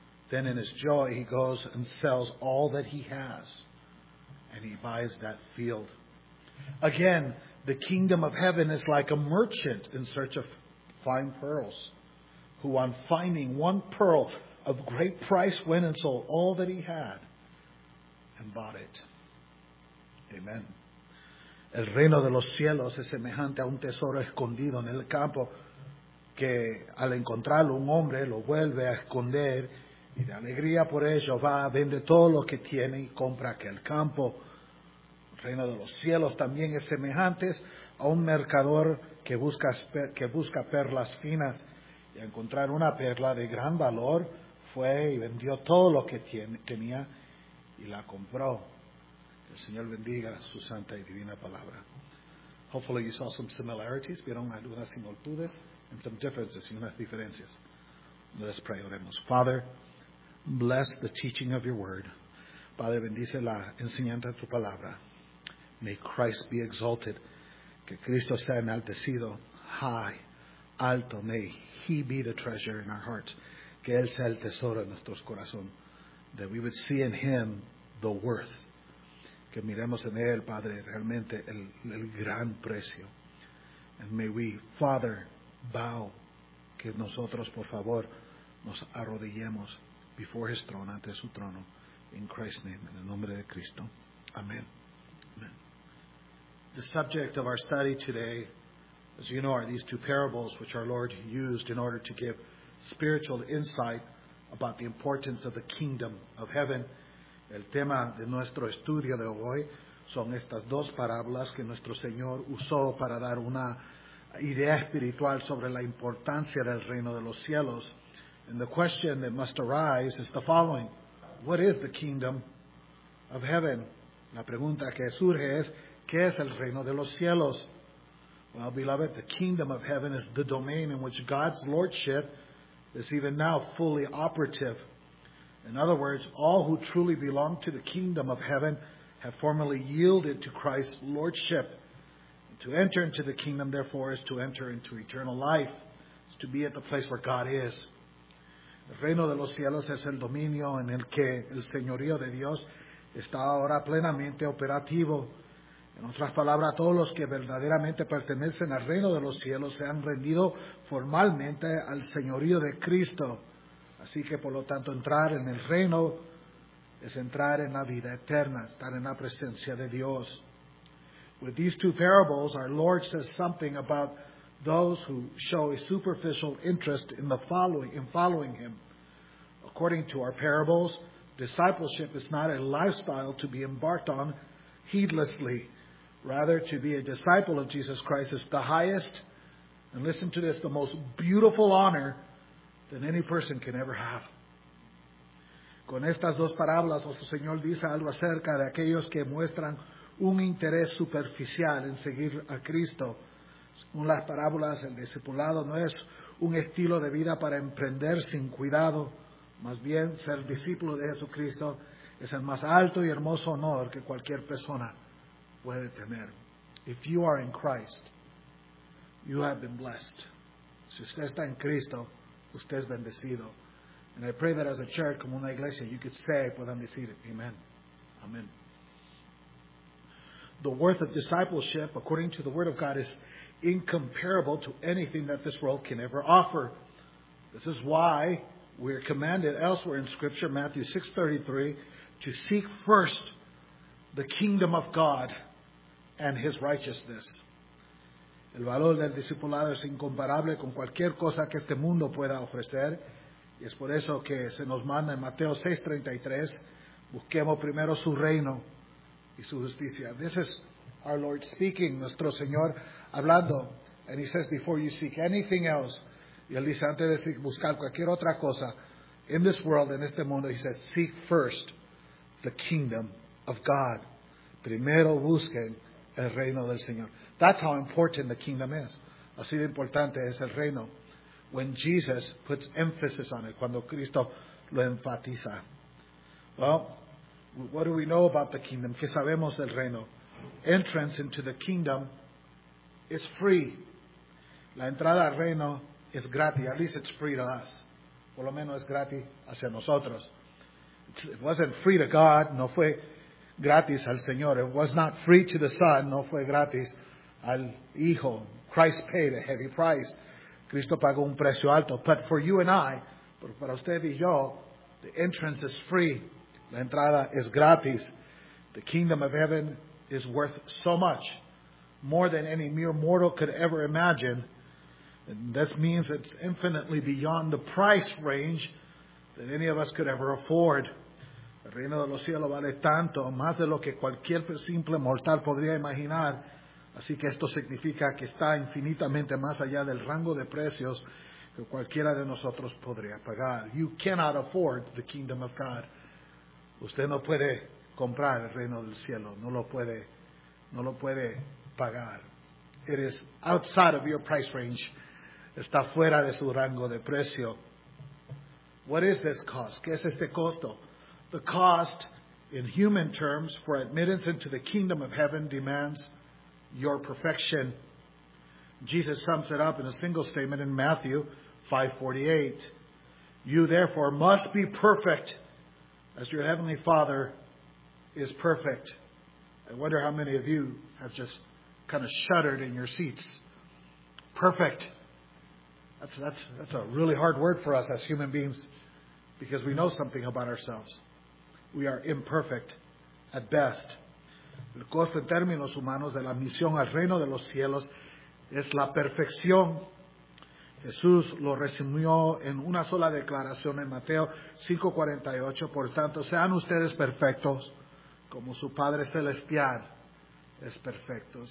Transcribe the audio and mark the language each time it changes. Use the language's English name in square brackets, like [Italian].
[English] Then in his joy, he goes and sells all that he has, and he buys that field. Again, the kingdom of heaven is like a merchant in search of fine pearls, who on finding one pearl of great price went and sold all that he had and bought it. Amen. [Spanish] El reino de los cielos es semejante a un tesoro escondido en el campo que al encontrarlo un hombre lo vuelve a esconder y de alegría por ello va, vende todo lo que tiene y compra aquel campo. El reino de los cielos también es semejante a un mercador que busca perlas finas y al encontrar una perla de gran valor fue y vendió todo lo que tenía y la compró. El Señor bendiga su santa y divina palabra. [English] Hopefully you saw some similarities, [Spanish] vieron algunas similitudes, [English] and some differences, [Spanish] y unas diferencias. [English] Let's pray, [Spanish] oremos. [English] Father, bless the teaching of your word. [Spanish] Padre, bendice la enseñanza de tu palabra. [English] May Christ be exalted. [Spanish] Que Cristo sea enaltecido, [English] high, [Spanish] alto. [English] May he be the treasure in our hearts. [Spanish] Que él sea el tesoro en nuestros corazones. [English] That we would see in him the worth. [Spanish] Que miremos en él, Padre, realmente el gran precio. [English] And may we, Father, bow, [Spanish] que nosotros, por favor, nos arrodillemos [English] before his throne, [Spanish] ante su trono, [English] in Christ's name, [Spanish] en el nombre de Cristo. Amen. Amen. [English] The subject of our study today, as you know, are these two parables which our Lord used in order to give spiritual insight about the importance of the kingdom of heaven. [Spanish] El tema de nuestro estudio de hoy son estas dos parábolas que nuestro Señor usó para dar una idea espiritual sobre la importancia del reino de los cielos. [English] And the question that must arise is the following. What is the kingdom of heaven? [Spanish] La pregunta que surge es, ¿qué es el reino de los cielos? [English] Well, beloved, the kingdom of heaven is the domain in which God's lordship is even now fully operative. In other words, all who truly belong to the kingdom of heaven have formally yielded to Christ's lordship. And to enter into the kingdom, therefore, is to enter into eternal life. It's to be at the place where God is. [Spanish] El reino de los cielos es el dominio en el que el señorío de Dios está ahora plenamente operativo. En otras palabras, todos los que verdaderamente pertenecen al reino de los cielos se han rendido formalmente al señorío de Cristo. Así que, por lo tanto, entrar en el reino es entrar en la vida eterna, estar en la presencia de Dios. [English] With these two parables, our Lord says something about those who show a superficial interest in following him. According to our parables, discipleship is not a lifestyle to be embarked on heedlessly. Rather, to be a disciple of Jesus Christ is the highest, and listen to this, the most beautiful honor than any person can ever have. [Spanish] Con estas dos parábolas, nuestro Señor dice algo acerca de aquellos que muestran un interés superficial en seguir a Cristo. Según las parábolas, el discipulado no es un estilo de vida para emprender sin cuidado. Más bien, ser discípulo de Jesucristo es el más alto y hermoso honor que cualquier persona puede tener. [English] If you are in Christ, you have been blessed. [Spanish] Si usted está en Cristo, usted es bendecido. [English] And I pray that as a church, [Spanish] como una iglesia, [English] you could say, [Spanish] puedan decir, [English] amen. Amen. The worth of discipleship, according to the word of God, is incomparable to anything that this world can ever offer. This is why we are commanded elsewhere in Scripture, Matthew 6:33, to seek first the kingdom of God and his righteousness. [Spanish] El valor del discipulado es incomparable con cualquier cosa que este mundo pueda ofrecer. Y es por eso que se nos manda en Mateo 6:33, busquemos primero su reino y su justicia. [English] This is our Lord speaking, [Spanish] nuestro Señor hablando. [English] And he says, before you seek anything else, [Spanish] y él dice, antes de buscar cualquier otra cosa, [English] in this world, [Spanish] en este mundo, [English] he says, seek first the kingdom of God. [Spanish] Primero busquen el reino del Señor. [English] That's how important the kingdom is. [Spanish] Así de importante es el reino. [English] When Jesus puts emphasis on it, [Spanish] cuando Cristo lo enfatiza. [English] Well, what do we know about the kingdom? [Spanish] ¿Qué sabemos del reino? [English] Entrance into the kingdom is free. [Spanish] La entrada al reino es gratis. [English] At least it's free to us. [Spanish] Por lo menos es gratis hacia nosotros. [English] It wasn't free to God. [Spanish] No fue gratis al Señor. [English] It was not free to the Son. [Spanish] No fue gratis al Hijo. [English] Christ paid a heavy price. [Spanish] Cristo pagó un precio alto. [English] But for you and I, [Spanish] para usted y yo, [English] the entrance is free. [Spanish] La entrada es gratis. [English] The kingdom of heaven is worth so much, more than any mere mortal could ever imagine. And this means it's infinitely beyond the price range that any of us could ever afford. [Spanish] El reino de los cielos vale tanto, más de lo que cualquier simple mortal podría imaginar. Así que esto significa que está infinitamente más allá del rango de precios que cualquiera de nosotros podría pagar. [English] You cannot afford the kingdom of God. [Spanish] Usted no puede comprar el reino del cielo. No lo puede pagar. [English] It is outside of your price range. [Spanish] Está fuera de su rango de precio. [English] What is this cost? [Spanish] ¿Qué es este costo? [English] The cost, in human terms, for admittance into the kingdom of heaven demands your perfection. Jesus sums it up in a single statement in Matthew 5:48. You therefore must be perfect as your heavenly Father is perfect. I wonder how many of you have just kind of shuddered in your seats. Perfect. That's a really hard word for us as human beings, because we know something about ourselves. We are imperfect at best. [Spanish] El costo en términos humanos de la misión al reino de los cielos es la perfección. Jesús lo resumió en una sola declaración en Mateo 5:48. Por tanto, sean ustedes perfectos como su Padre Celestial es perfecto.